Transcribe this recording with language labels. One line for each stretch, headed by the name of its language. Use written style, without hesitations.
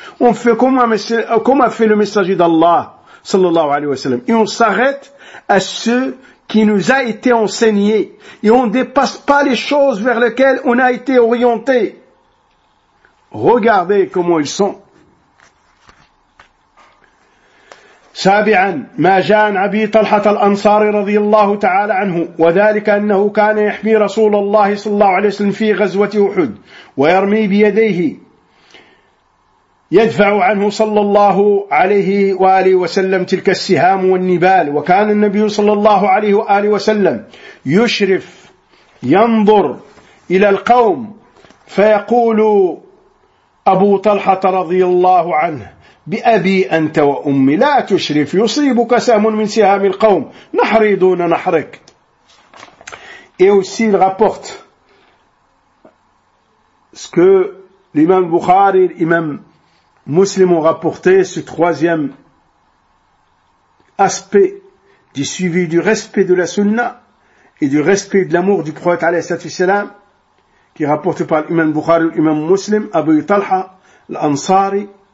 French: On fait comme a fait le messager d'Allah sallallahu alayhi wa sallam. Et on s'arrête à ceux qui nous a été enseigné, et on ne dépasse pas les choses vers lesquelles on a été orienté. Regardez comment ils sont.
Arabic: سابعا ما جاء عن أبي طلحة الأنصاري رضي الله تعالى عنه وذلك أنه كان يحمي رسول الله صلى الله عليه وسلم في غزوة أحد ويرمي بيديه يدفع عنه صلى الله عليه وآله وسلم تلك السهام والنبال وكان النبي صلى الله عليه وآله وسلم يشرف ينظر إلى القوم فيقول أبو طلحة رضي الله عنه بأبي أنت وأمي لا تشرف يصيبك سهم من سهام القوم نحري دون نحرك. يوسيل غابورت سكو
French: الإمام البخاري الإمام Muslim ont rapporté ce troisième aspect du suivi du respect de la sunna et du respect de l'amour du prophète alayhi salatu salam, qui est rapporté par l'imam Bukhari, l'imam Muslim, Abu Talha, l'Ansari,